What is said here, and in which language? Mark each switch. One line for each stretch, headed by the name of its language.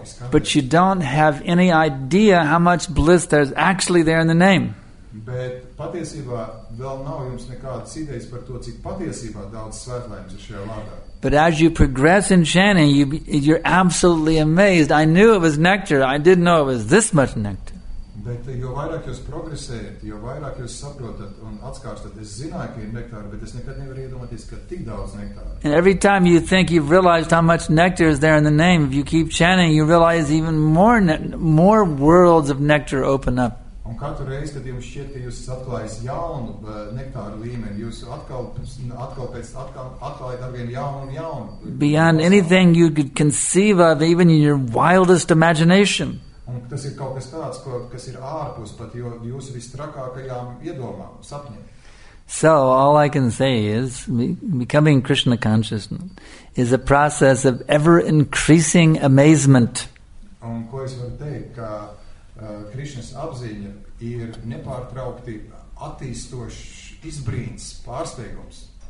English: But you don't have any idea how much bliss there's actually there in the name. But as you progress in chanting, you're absolutely amazed. I knew it was nectar. I didn't know it was this much nectar.
Latvian: Bet jo vairāk jūs progresējat, jo vairāk jūs saprotat un atskārstat, es zināju, ka ir nektāra, bet es nekad nevaru iedomāties, ka tik daudz nektāra.
English: And every time you think you've realized how much nectar is there in the name, if you keep chanting, you realize even more worlds of nectar open up.
Latvian: Un katru reizi, kad jums šķiet, ka jūs atklājas jaunu nektāru līmeni, jūs atklājat ar vienu jaunu.
English: Beyond anything you could conceive of, even in your wildest imagination.
Latvian: Un tas ir kaut kas tāds, kas ir ārpus pat jūs vistrakākajām iedomām, sapņiem.
English: So, all I can say is, becoming Krishna conscious is a process of ever-increasing amazement.
Latvian: Un ko es varu teikt, ka Krišnas apziņa ir nepārtraukti attīstošs izbrīns, pārsteigums.